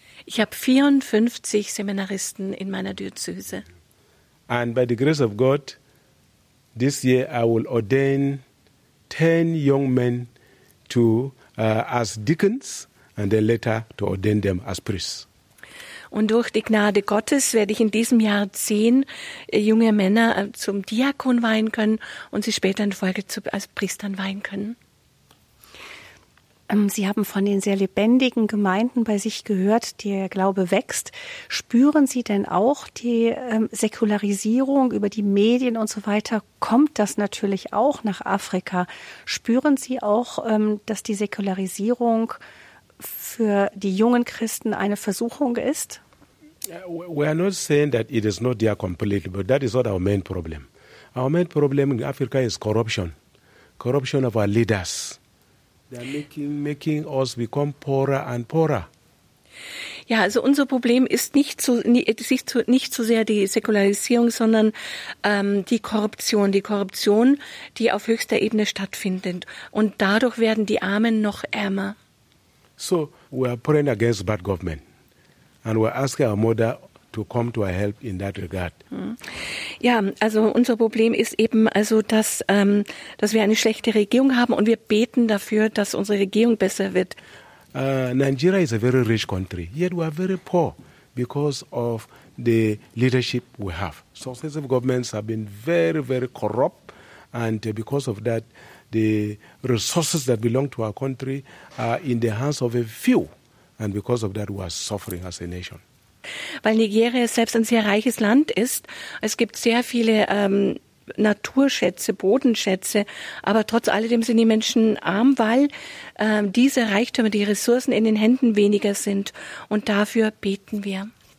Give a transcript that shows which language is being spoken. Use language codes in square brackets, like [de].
[de] Ich habe 54 Seminaristen in meiner Diözese. [en] And by the grace of God, this year I will ordain 10 young men as deacons and then later to ordain them as priests. [de] Und durch die Gnade Gottes werde ich in diesem Jahr 10 junge Männer zum Diakon weihen können und sie später in Folge als Priestern weihen können. Sie haben von den sehr lebendigen Gemeinden bei sich gehört, der Glaube wächst. Spüren Sie denn auch die Säkularisierung über die Medien und so weiter? Kommt das natürlich auch nach Afrika? Spüren Sie auch, dass die Säkularisierung für die jungen Christen eine Versuchung ist? [en] We are not saying that it is not there completely, but that is not our main problem. Our main problem in Africa is corruption. Corruption of our leaders. They are making us become poorer and poorer. [de] Ja, also unser Problem ist nicht so sehr die Säkularisierung, sondern die Korruption, die auf höchster Ebene stattfindet. Und dadurch werden die Armen noch ärmer. [en] So, we are praying against bad government. And we ask our mother to come to our help in that regard. [de] Ja, also unser Problem ist eben, also dass wir eine schlechte Regierung haben und wir beten dafür, dass unsere Regierung besser wird. [en] Nigeria is a very rich country, yet we are very poor because of the leadership we have. Successive governments have been very, very corrupt, and because of that, the resources that belong to our country are in the hands of a few, and because of that, we are suffering as a nation. [de] Weil Nigeria selbst ein sehr reiches Land ist, es gibt sehr viele Naturschätze, Bodenschätze, aber trotz alledem sind die Menschen arm, weil diese Reichtümer, die Ressourcen in den Händen weniger sind. Und dafür beten wir.